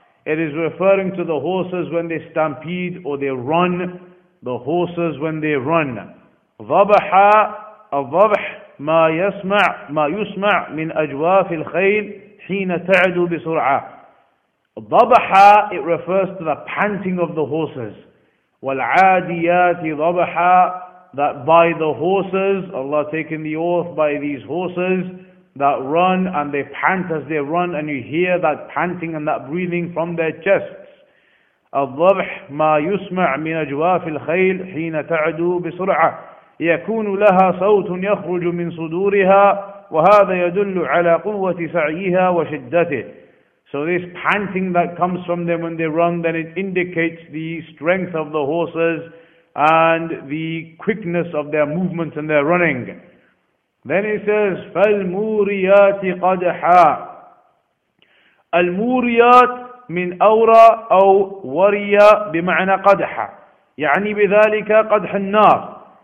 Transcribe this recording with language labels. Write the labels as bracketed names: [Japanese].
[English] It is referring to the horses when they stampede or they run. The horses when they run. [Arabic] ضبح الضبح ما يسمع من أجواف الخيل حين تعدو بسرعة. [English] ضبح it refers to the panting of the horses. [Arabic] والعاديات ضبح [English] that by the horses, Allah taking the oath, by these horses that run and they pant as they run, and you hear that panting and that breathing from their chests. [Arabic] الضبح ما يسمع من أجواف الخيل حين تعدو بسرعة يكون لها صوت يخرج من صدورها وهذا يدل على قوة سعيها وشدته. [English] So this panting that comes from them when they run, then it indicates the strength of the horses and the quickness of their movements and their running. Then he says, [Arabic] فَالْمُورِيَاتِ قَدْحَا. المُورِيَات مِنْ أَوْرَى أَوْ وَرِيَا بِمَعْنَى قَدْحَا يعني بِذَلِكَ قَدْحَ النَّارِ.